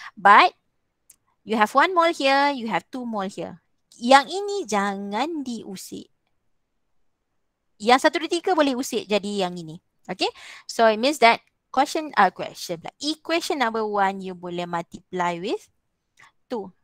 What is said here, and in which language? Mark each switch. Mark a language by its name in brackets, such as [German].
[English] But you have one mole here, you have two mole here. [Malay] Yang ini jangan diusik. Yang 1, 2, 3 boleh usik jadi yang ini. [English] Okay, so it means that equation number 1 you [Malay] boleh [English] multiply with 2.